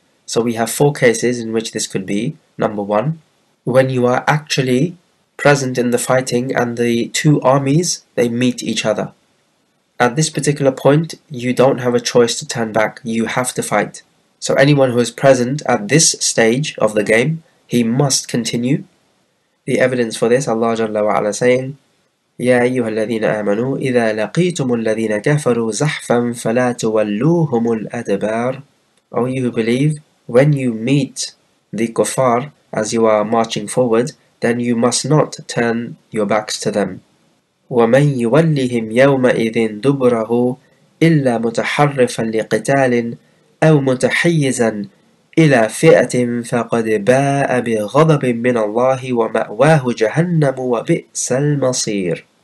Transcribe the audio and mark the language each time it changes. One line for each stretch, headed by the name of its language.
English: So we have four cases in which this could be. Number one, when you are actually present in the fighting and the two armies, they meet each other. At this particular point, you don't have a choice to turn back. You have to fight. So anyone who is present at this stage of the game, he must continue. The evidence for this, Allah Jalla wa Ala saying,
Arabic: يا أيها الذين آمنوا إذا لقيتم الذين كفروا زحفا فلا تولوهم الأدبار.
English: Oh, you who believe, when you meet the kuffar as you are marching forward, then you must not turn your backs to them.
Arabic: وَمَنْ يُوَلِّهِمْ يَوْمَئِذٍ دُبْرَهُ إِلَّا مُتَحَرِّفًا لِقِتَالٍ أَوْ مُتَحِيِّزًا إِلَى فِئَةٍ فَقَدْ بَاءَ بِغَضَبٍ مِّنَ اللَّهِ وَمَأْوَاهُ جَهَنَّمُ وَبِئْسَ الْمَصِيرُ.